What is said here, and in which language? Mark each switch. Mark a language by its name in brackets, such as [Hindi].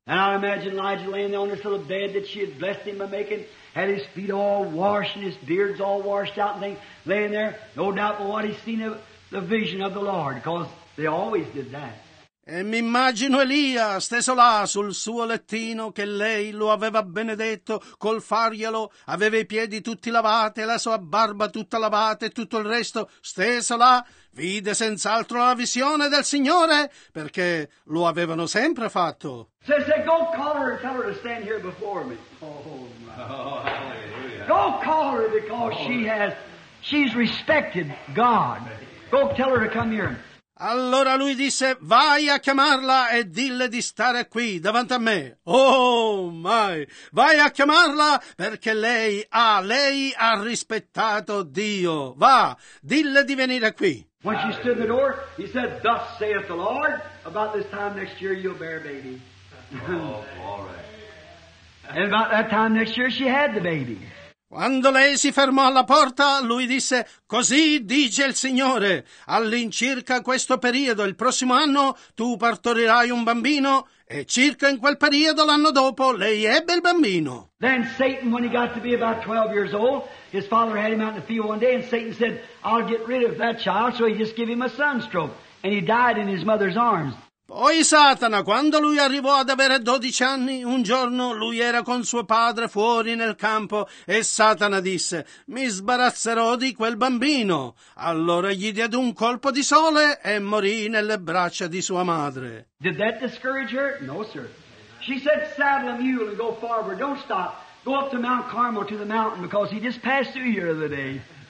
[English] And I imagine Elijah laying there on this little bed that she had blessed him by making, had his feet all washed and his beards all washed out and things, laying there, no doubt but what he's seen of the vision of the Lord, because they always did that. [Italian] E mi immagino Elia steso là sul suo lettino che lei lo aveva benedetto col farglielo, aveva i piedi tutti lavati, la sua barba tutta lavata e tutto il resto steso là, vide senz'altro la visione del Signore perché lo avevano sempre fatto. [English] So he said, go call her and tell her to stand here before me. Oh, hallelujah. Go call her because she's respected God. Go tell her to come here. [Italian] Allora lui disse, vai a chiamarla e dille di stare qui davanti a me. [English] Oh my, [Italian] vai a chiamarla perché lei ha rispettato Dio. Va, dille di venire qui. [English] When she stood in the door, he said, thus saith the Lord, about this time next year you'll bear a baby. Oh, all right. And about that time next year she had the baby. [Italian] Quando lei si fermò alla porta, lui disse, così dice il Signore, all'incirca questo periodo, il prossimo anno, tu partorirai un bambino, e circa in quel periodo, l'anno dopo, lei ebbe il bambino. [English] Then Satan, when he got to be about 12 years old, his father had him out in the field one day, and Satan said, I'll get rid of that child, so he just gave him a sunstroke, and he died in his mother's arms. [Italian] Poi Satana, quando lui arrivò ad avere 12 anni, un giorno lui era con suo padre fuori nel campo e Satana disse, mi sbarazzerò di quel bambino. Allora gli diede un colpo di sole e morì nelle braccia di sua madre. [English] Did that discourage her? No, sir. She said, saddle a mule and go forward. Don't stop. Go up to Mount Carmel, to the mountain, because he just passed through here the other day.